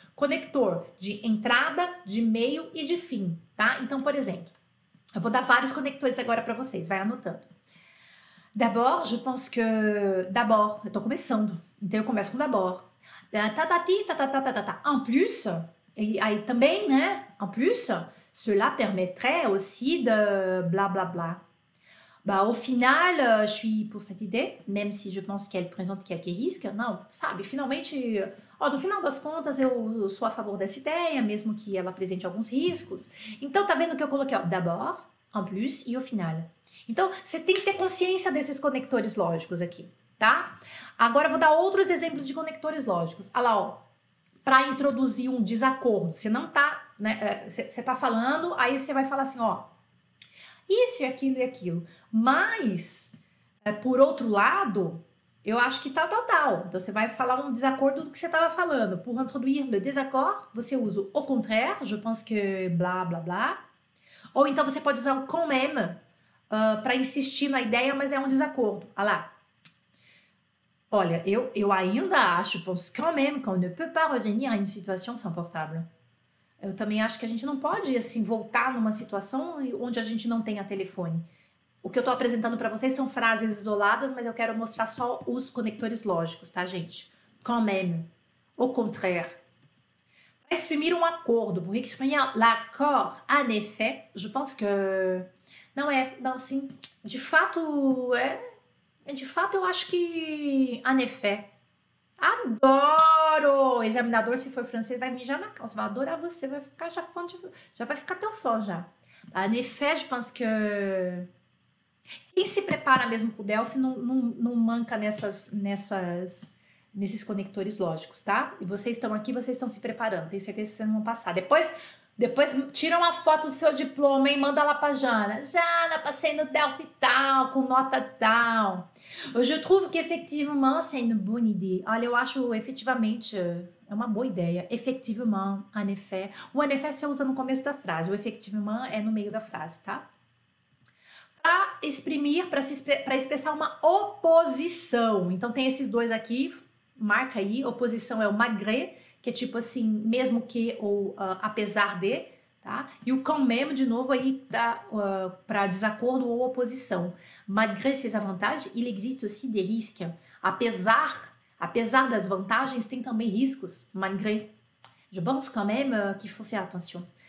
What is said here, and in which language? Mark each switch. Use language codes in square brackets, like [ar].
[pt] Conector de entrada, de meio e de fim, tá? Então, por exemplo, eu vou dar vários conectores agora para vocês, vai anotando. [fr] D'abord, je pense que... D'abord, [pt] eu tô começando. [fr] Então, eu começo com d'abord. En plus, et, et, [pt] também, né? [fr] En plus, cela permettrait aussi de bla bla bla. Bah, au final, je suis pour cette idée, même si je pense qu'elle présente quelques risques. [pt] Não, sabe, finalmente, ó, no final das contas, eu sou a favor dessa ideia, mesmo que ela apresente alguns riscos. Então, tá vendo que eu coloquei, ó, d'abord, en plus e au final. Então, você tem que ter consciência desses conectores lógicos aqui, tá? Agora eu vou dar outros exemplos de conectores lógicos. Olha lá, ó. Para introduzir um desacordo. Você não tá, né? Você tá falando, aí você vai falar assim, ó. Isso e aquilo e aquilo. Mas, por outro lado, eu acho que tá total. Então você vai falar um desacordo do que você tava falando. Por introduzir le désaccord, você usa [fr] au contraire, je pense que [pt] blá, blá, blá. Ou então você pode usar o quand même para insistir na ideia, mas é um desacordo. Olha lá. Olha, eu ainda acho, [fr] pense quand même qu'on ne peut pas revenir à une situation sans portable. [pt] Eu também acho que a gente não pode, assim, voltar numa situação onde a gente não tenha telefone. O que eu tô apresentando para vocês são frases isoladas, mas eu quero mostrar só os conectores lógicos, tá, gente? [fr] Quand même. Au contraire. [pt] Para exprimir um acordo, [fr] pour exprimir l'accord, en effet, je pense que... [pt] Não é, não, assim, de fato, é... De fato, eu acho que... En effet. Adoro! Examinador, se for francês, vai mijar na calça. Vai adorar você. Vai ficar já fã de... Já vai ficar tão fã, já. [fr] En effet, je pense que... [pt] Quem se prepara mesmo pro Delphi não manca nesses conectores lógicos, tá? E vocês estão aqui, vocês estão se preparando. Tenho certeza que vocês vão passar. Depois tira uma foto do seu diploma e manda lá pra Jana. Jana, passei no Delphi tal, com nota tal. [fr] Je trouve qu'effectivement c'est une bonne idée. [pt] Olha, eu acho efetivamente, é uma boa ideia. Effectivement, en effet. O en effet você usa no começo da frase. O effectivement é no meio da frase, tá? Pra exprimir, pra expressar uma oposição. Então tem esses dois aqui, marca aí. Oposição é o malgré, que é tipo assim, mesmo que ou apesar de, tá? E o quand même, de novo, aí tá para desacordo ou oposição. [fr] Malgré ses avantages, il existe aussi des risques. [pt] Apesar das vantagens, tem também riscos. [fr] Malgré. Je pense quand même qu'il faut faire attention.